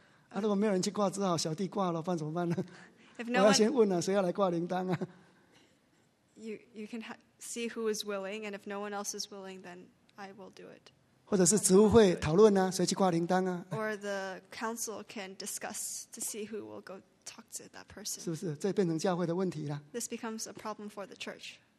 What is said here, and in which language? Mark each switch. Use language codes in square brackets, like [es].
[zh] 啊，如果没有人去挂，只好小弟挂了，不然怎么办呢？ [en] If no one, [zh] 我要先问了，谁要来挂铃铛啊？ [en] You can see who is willing, and if no one else is willing, then I will do it. [zh] 或者是职务会讨论啊，谁去挂铃铛啊？ [en] Or the council can discuss to see who will go talk to that person. [zh] 是不是？这变成教会的问题了。 [en] This becomes a problem for the church.